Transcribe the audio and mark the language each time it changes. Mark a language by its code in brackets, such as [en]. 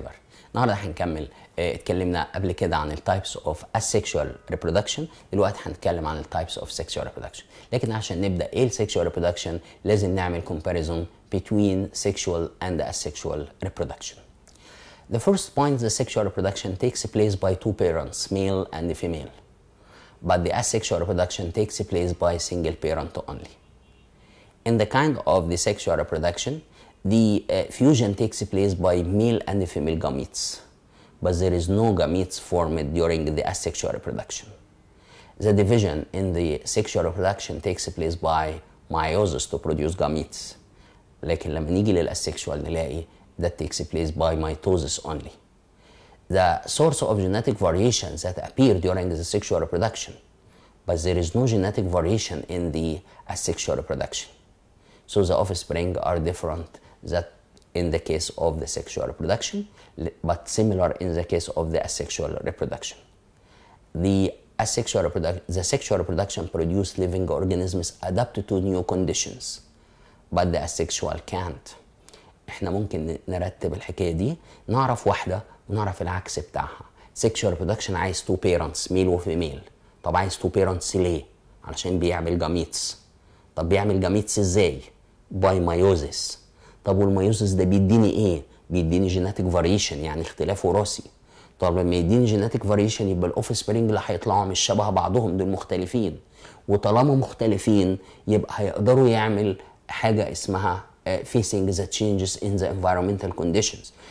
[ar] دار النهارده هنكمل اتكلمنا قبل كده عن [en] التايبس of asexual reproduction, [ar] دلوقتي هنتكلم عن [en] التايبس of sexual reproduction. [ar] لكن عشان نبدا ايه السيكشوال ريبرودكشن لازم نعمل كومباريزون بين [en] Sexual and asexual reproduction. The first point, the sexual reproduction takes place by two parents, male and female. But the asexual reproduction takes place by single parent only. In the kind of the sexual reproduction, the fusion takes place by male and female gametes. But there is no gametes formed during the asexual reproduction. The division in the sexual reproduction takes place by meiosis to produce gametes. [ar] لكن لما نيجي للأسيكشوال نلاقي [en] that takes place by mitosis only. The source of genetic variations that appear during the sexual reproduction, but there is no genetic variation in the asexual reproduction. So the offspring are different that in the case of the sexual reproduction, but similar in the case of the asexual reproduction. The sexual reproduction produce living organisms adapted to new conditions, but the asexual can't. [ar] احنا ممكن نرتب الحكاية دي، نعرف واحدة ونعرف العكس بتاعها. [en] Sexual reproduction عايز two parents male و female. [ar] طب عايز [en] two parents [ar] ليه؟ علشان بيعمل gametes. طب بيعمل gametes ازاي؟ [en] by meiosis. [ar] طب والميوزيس ده بيديني ايه؟ بيديني [en] genetic variation، [ar] يعني اختلاف وراثي. طب لما يديني [en] genetic variation [ar] يبقى الاوفسبرينج اللي هيطلعوا مش شبه بعضهم، دول مختلفين، وطالما مختلفين يبقى هيقدروا يعمل حاجة اسمها [en] facing the changes in the environmental conditions.